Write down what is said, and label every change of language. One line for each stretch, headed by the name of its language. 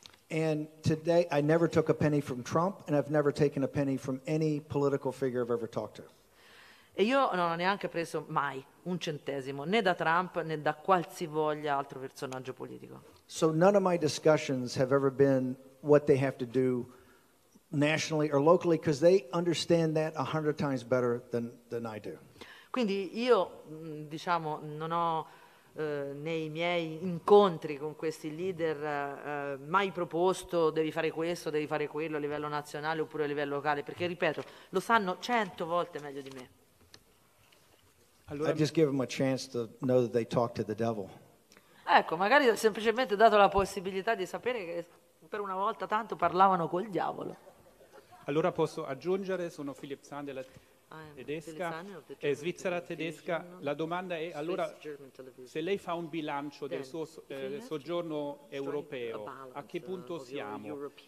English: And today I never took a penny from Trump and I've never taken a penny from any political figure I've ever talked to.
Italian: E io non ho neanche preso mai un centesimo, né da Trump né da qualsivoglia altro personaggio politico.
English: So none of my discussions have ever been what they have to do nationally or locally, because they understand that 100 times better than I do.
Italian: Quindi io, diciamo, non ho nei miei incontri con questi leader mai proposto devi fare questo, devi fare quello a livello nazionale oppure a livello locale, perché ripeto, lo sanno 100 volte meglio di me.
English: Allora, I just give them a chance to know that they talk to the devil.
Italian: Ecco, magari ho semplicemente dato la possibilità di sapere che per una volta tanto parlavano col diavolo. Allora posso aggiungere, sono Philip Sand della tedesca, e Svizzera tedesca. La domanda è, allora, se lei fa un bilancio del suo soggiorno europeo, a che punto siamo?